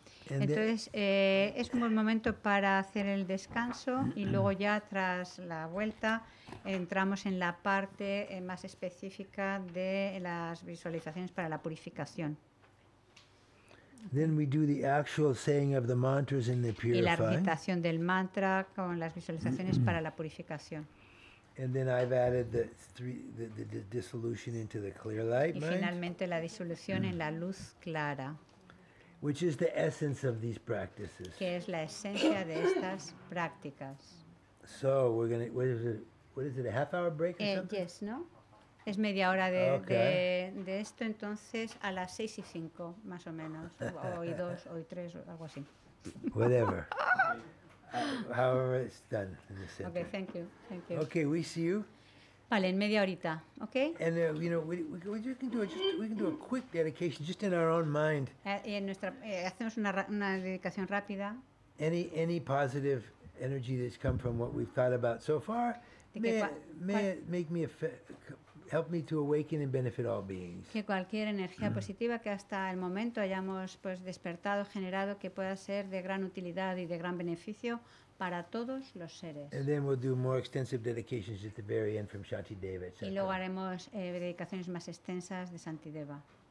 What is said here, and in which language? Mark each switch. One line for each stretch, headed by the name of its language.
Spanish: Entonces, es un buen momento para hacer el descanso y luego ya tras la vuelta entramos en la parte más específica de las visualizaciones para la purificación.
English: Then we do the actual saying of the mantras in the purifying.
Spanish: Y la recitación del mantra con las visualizaciones para la purificación.
English: And then I've added the dissolution into the clear light.
Spanish: Y finalmente la disolución en la luz clara.
English: Which is the essence of these practices.
Spanish: Que es la esencia de estas prácticas.
English: So we're gonna what is it a half hour break or something? Yes,
Spanish: no. Es media hora de okay. de esto, entonces a las 6:05 más o menos, hoy 2, hoy 3, algo así.
English: Whatever. However it's done in the center. Okay, thank you. Okay, we see you.
Spanish: Vale, en media horita, okay?
English: And we can do a quick dedication just in our own mind.
Spanish: Hacemos una dedicación rápida.
English: Any positive energy that's come from what we've thought about so far, help me to awaken and benefit all beings.
Spanish: Que cualquier energía positiva que hasta el momento hayamos pues despertado, generado, que pueda ser de gran utilidad y de gran beneficio para todos los seres.
English: And then we'll do more extensive dedications at the very end from Shanti Deva.
Spanish: Y luego haremos dedicaciones más extensas de Shanti Deva.